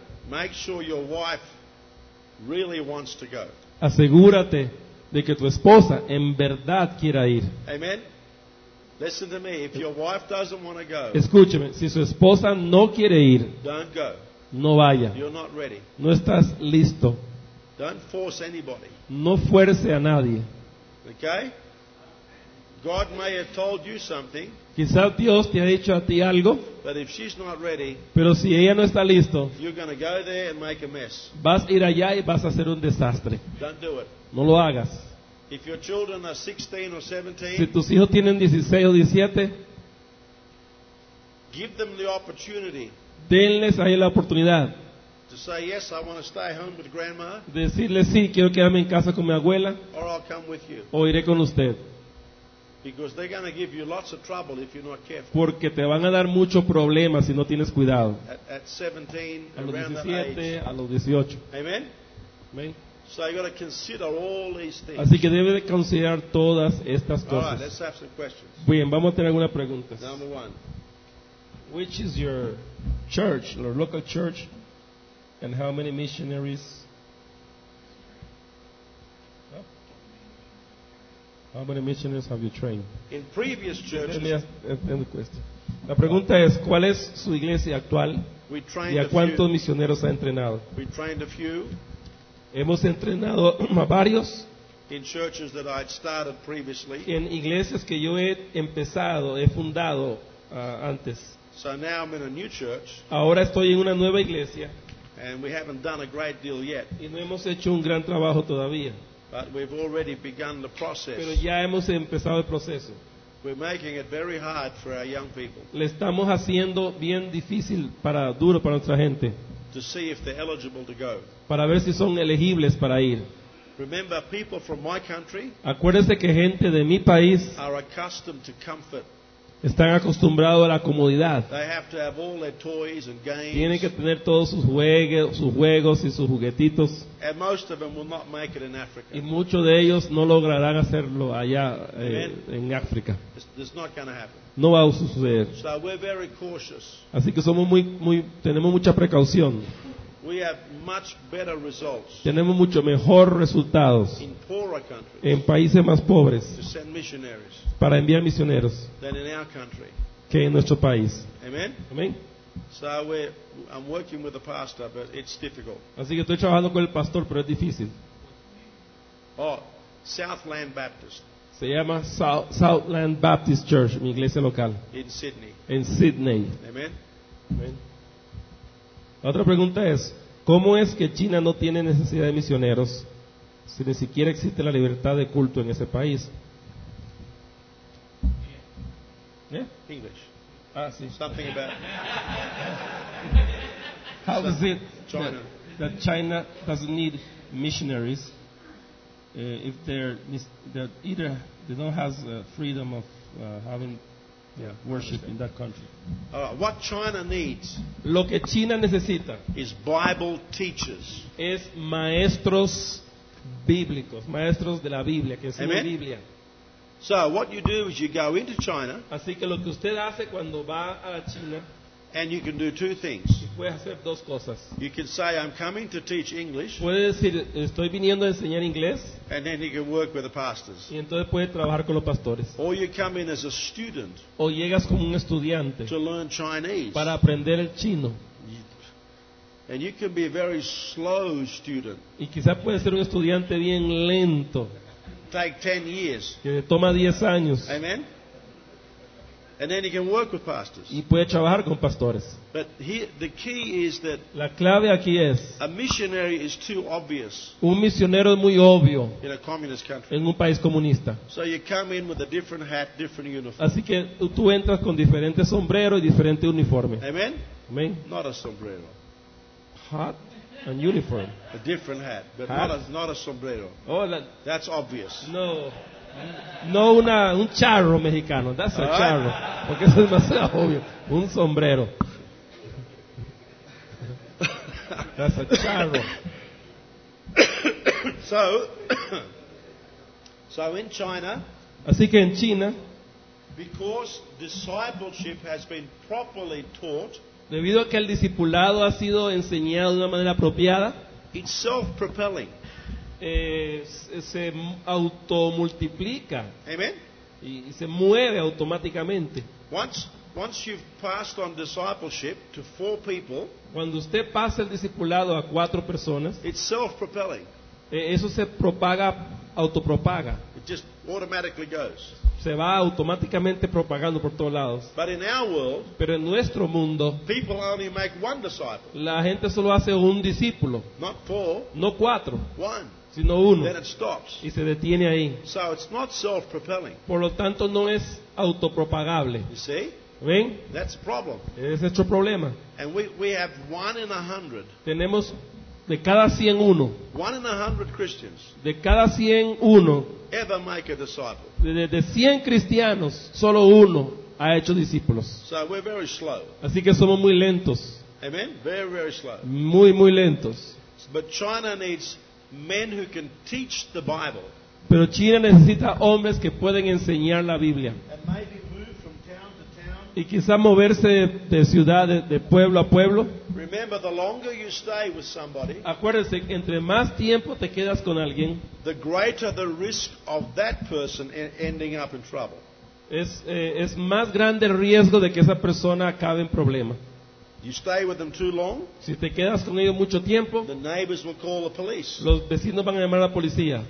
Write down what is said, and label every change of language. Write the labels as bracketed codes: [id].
[en] make sure your wife really wants to go. [es] Asegúrate de que tu esposa en verdad quiera ir. [en] Amen. Listen to me. If your wife doesn't want to go, [es] escúcheme. Si su esposa no quiere ir, [en] don't go. [es] No vaya. [en] You're not ready. [es] No estás listo. [en] Don't force anybody. [es] No fuerce a nadie. [en] Okay. God may have told you something. [es] Quizás Dios te ha dicho a ti algo, [en] but if she's not ready, [es] pero si ella no está listo, [en] you're gonna go there and make a mess. [es] Vas a ir allá y vas a hacer un desastre. [en] Don't do it. [es] No lo hagas. [en] If your children are 16 or 17, [es] si tus hijos tienen 16 o 17, [en] give them the opportunity, [es] denles ahí la oportunidad [en] to say, yes, I want to stay home with grandma, [es] decirle sí, quiero quedarme en casa con mi abuela, [en] or I'll come with you. [es] O iré con usted. [en] Because they're going to give you lots of trouble if you're not careful. [es] Porque te van a dar mucho problema si no tienes cuidado. [en] At 17, [es] a los 17, a los 18. [en] Amen. [es] Amen. [en] So you got to consider all these things. [es] Así que debes de considerar todas estas cosas. [en] All right, let's have some questions. [es] Bien, vamos a tener algunas preguntas. [en] Number one. Which is your church, your local church, and how many missionaries? How many missionaries have you trained? In previous churches. [es] Entiendo la cuestión. La pregunta es, ¿cuál es su iglesia actual? [en] We trained [es] ¿y a cuántos misioneros ha entrenado? [en] We trained a few. [es] Hemos entrenado a varios. [en] In churches that I'd started previously. [es] En iglesias que yo he empezado, he fundado antes. [en] So now I'm in a new church. [es] Ahora estoy en una nueva iglesia. [en] And we haven't done a great deal yet. [es] Y no hemos hecho un gran trabajo todavía. [en] But we've already begun the process. [es] Pero ya hemos empezado el proceso. [en] We're making it very hard for our young people. [es] Le estamos haciendo bien difícil duro para nuestra gente. [en] To see if they're eligible to go. [es] Para ver si son elegibles para ir. [en] Remember, people from my country. [es] Acuérdese que gente de mi país. [en] Are accustomed to comfort. [es] Están acostumbrados a la comodidad. [en] They have to have all their toys and games. [es] Tienen que tener todos sus juegos y sus juguetitos. [en] And most of them will not make it in Africa. [es] Y muchos de ellos no lograrán hacerlo allá en África. [en] It's not gonna happen. [es] No va a suceder. [en] So we're very cautious. [es] Así que somos tenemos mucha precaución. [en] We have much better results. [es] Tenemos mucho mejor resultados [en] in poorer countries, [es] en países más pobres, [en] to send missionaries, [es] para enviar misioneros, [en] than in our country, [es] que en nuestro país. [en] Amen. [es] Amen. [en] So I'm working with the pastor, but it's difficult. [es] Así que estoy trabajando con el pastor, pero es difícil. [en] Oh, Southland Baptist. [es] Se llama Southland Baptist Church, mi iglesia local. [en] In Sydney. [es] En Sydney. [en] Amen. [es] Amen. La otra pregunta es, ¿cómo es que China no tiene necesidad de misioneros si ni siquiera existe la libertad de culto en ese país? [en] Yeah. English. [es] Ah, sí. [en] Something about how is it China. That China doesn't need missionaries if they're that either they don't have freedom of having worship in that country. What China needs, [es] lo que China necesita, [en] is Bible teachers. [es] Es maestros bíblicos, maestros de la Biblia, que enseñan la Biblia. [en] So what you do is you go into China. [es] Así que lo que usted hace cuando va a China, [en] And you can do two things. [es] Puedes hacer dos cosas. [en] You can say, I'm coming to teach English. [es] Puedes decir, estoy viniendo a enseñar inglés. [en] And then you can work with the pastors. [es] Y entonces puedes trabajar con los pastores. [en] Or you come in as a student. [es] O llegas como un estudiante. [en] To learn Chinese. [es] Para aprender el chino. [en] And you can be a very slow student. [es] Y quizás puedes ser un estudiante bien lento. [en] Take 10 years. [es] Que toma 10 años. [en] Amen. And then you can work with pastors. [es] Y puede trabajar con pastores. [en] But here, the key is that [es] la clave aquí es, [en] a missionary is too obvious. [es] Un misionero es muy obvio [en] in a communist country. [es] En un país comunista. [en] So you come in with a different hat, different uniform. [es] Así que tú entras con diferente sombrero y diferente uniforme. [en] Amen. [es] Amen. [en] Not a sombrero. Hat and uniform. A different hat, but hat? Not a sombrero. Oh, that's obvious. [es] No. No una un charro mexicano, [en] that's a charro, [es] porque eso es demasiado obvio, un sombrero. [en] That's a charro. So in China, [es] así que en China, [en] because discipleship has been properly taught, [es] debido a que el discipulado ha sido enseñado de una manera apropiada, [en] it's self-propelling. [es] Se automultiplica. [en] Amen. [es] Y se mueve automáticamente. [en] Once you've passed on discipleship to four people, [es] cuando usted pasa el discipulado a cuatro personas, [en] it's self-propelling. [es] Eso se propaga, autopropaga. [en] It just automatically goes. [es] Se va automáticamente propagando por todos lados. [en] But in our world, [es] pero en nuestro mundo, [en] people only make one disciple. [es] La gente solo hace un discípulo. [en] Not four, [es] no cuatro. [en] One. [es] Sino uno. [en] Then it stops. [es] Y se detiene ahí. [en] So it's not self-propelling. [es] Por lo tanto, no es autopropagable. [en] You see? [es] ¿Ven? [en] That's a problem. [es] Es nuestro problema. [en] And we have one in a hundred. [es] Tenemos de cada 100 uno. [en] One in a hundred Christians. [es] De cada 100 uno. [en] Ever make a disciple. [es] De 100 cristianos, solo uno ha hecho discípulos. [en] So we're very slow. [es] Así que somos muy lentos. [en] Amen? Very, very slow. [es] Muy, muy lentos. [en] But China needs men who can teach the Bible. [es] Pero China necesita hombres que pueden enseñar la Biblia. [en] And maybe move from town to town. [es] Y quizá moverse de ciudad, de pueblo a pueblo. [en] Remember, the longer you stay with somebody, [es] acuérdense, entre más tiempo te quedas con alguien, [en] the greater the risk of that person ending up in trouble. [es] Es más grande el riesgo de que esa persona acabe en problema. [en] You stay with them too long, [es] si te quedas con ellos mucho tiempo, [en] the neighbors will call the police. [es] Los vecinos van a llamar a la policía.